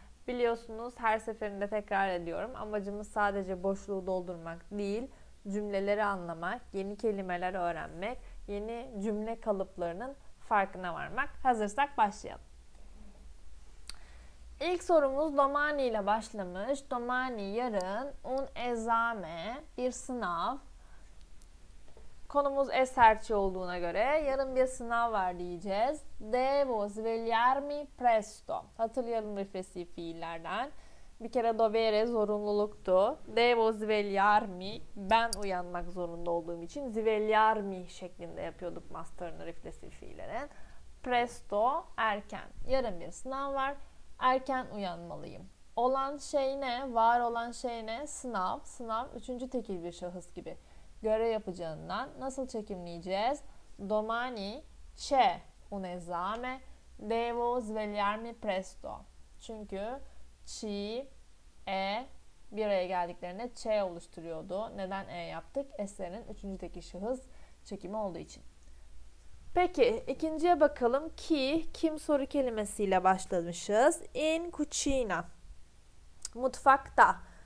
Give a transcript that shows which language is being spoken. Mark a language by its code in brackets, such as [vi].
[tr] Biliyorsunuz her seferinde tekrar ediyorum. Amacımız sadece boşluğu doldurmak değil, cümleleri anlamak, yeni kelimeler öğrenmek, yeni cümle kalıplarının farkına varmak. Hazırsak başlayalım. İlk sorumuz domani ile başlamış. Domani yarın, [it] un esame, [tr] bir sınav. Konumuz eserçi olduğuna göre yarın bir sınav var diyeceğiz. [it] Devo svegliarmi presto. [tr] Hatırlayalım refleksif fiillerden. Bir kere dovere zorunluluktu. Devo svegliarmi, ben uyanmak zorunda olduğum için svegliarmi şeklinde yapıyorduk masterını refleksif fiillerin. Presto, erken. Yarın bir sınav var. Erken uyanmalıyım. Olan şey ne? Var olan şey ne? Sınav. Sınav, üçüncü tekil bir şahıs gibi. Görev yapacağından nasıl çekimleyeceğiz? [it] Domani c'è un esame. Devo svegliarmi presto. [tr] Çünkü ci, e bir araya geldiklerinde ç oluşturuyordu. Neden e yaptık? Eserin üçüncü tekil şahıs çekimi olduğu için. Peki ikinciye bakalım. Ki, kim soru kelimesiyle başlamışız. [it] In cucina. [tr] Mutfakta.